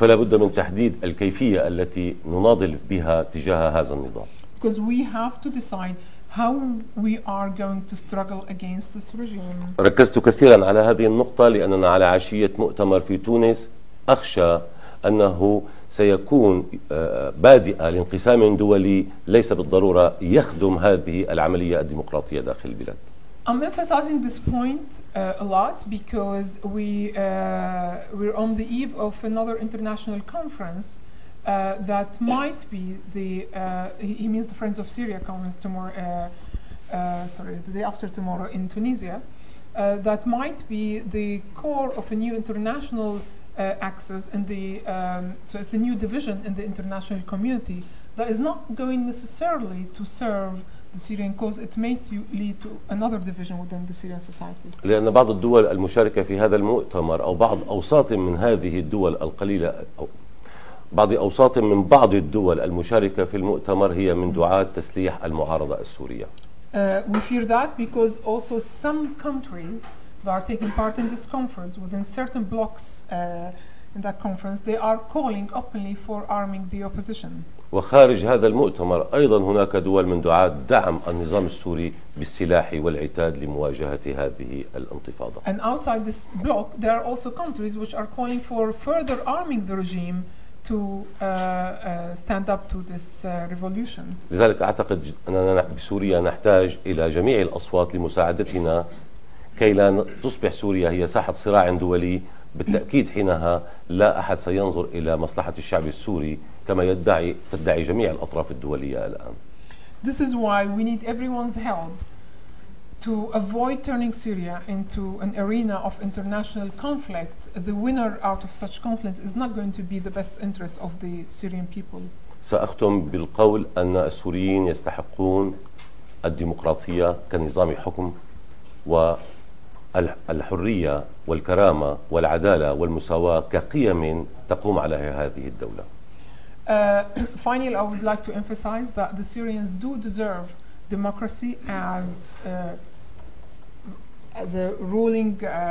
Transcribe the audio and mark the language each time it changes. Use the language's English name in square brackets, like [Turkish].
[Arabic] فلا بد من تحديد الكيفية التي نناضل بها تجاه هذا النظام. [English] Because we have to decide how we are going to struggle against this regime. [Arabic] ركزت كثيرا على هذه النقطة لأننا على عشية مؤتمر في تونس أخشى أنه سيكون بادئ لانقسام دولي ليس بالضرورة يخدم هذه العملية الديمقراطية داخل البلاد. [English] I'm emphasizing this point a lot because we're on the eve of another international conference that might be the he means the Friends of Syria conference tomorrow the day after tomorrow in Tunisia that might be the core of a new international axis in the so it's a new division in the international community that is not going necessarily to serve the Syrian cause. It may lead to another division within the Syrian society. [Arabic] لأن بعض الدول المشاركة في هذا المؤتمر أو بعض أوساط من هذه الدول القليلة أو بعض أوساط من بعض الدول المشاركة في المؤتمر هي من دعاة تسليح المعارضة السورية. [English] We fear that because also some countries that are taking part in this conference within certain blocks in that conference they are calling openly for arming the opposition. [Arabic] وخارج هذا المؤتمر أيضا هناك دول من دعاة دعم النظام السوري بالسلاح والعتاد لمواجهة هذه الانتفاضة. [English] And outside this block there are also countries which are calling for further arming the regime to stand up to this revolution. [Arabic] لذلك أعتقد أننا بسوريا نحتاج إلى جميع الأصوات لمساعدتنا كي لا تصبح سوريا هي ساحة صراع دولي بالتأكيد حينها لا أحد سينظر إلى مصلحة الشعب السوري كما تدعي جميع الأطراف الدولية الآن. [English] This is why we need everyone's help to avoid turning Syria into an arena of international conflict. The winner out of such conflict is not going to be the best interest of the Syrian people. [Arabic] سأختم بالقول أن السوريين يستحقون الديمقراطية كنظام حكم والحرية والكرامة والعدالة والمساواة كقيم تقوم عليها هذه الدولة. [English] Finally, I would like to emphasize that the Syrians do deserve democracy as a ruling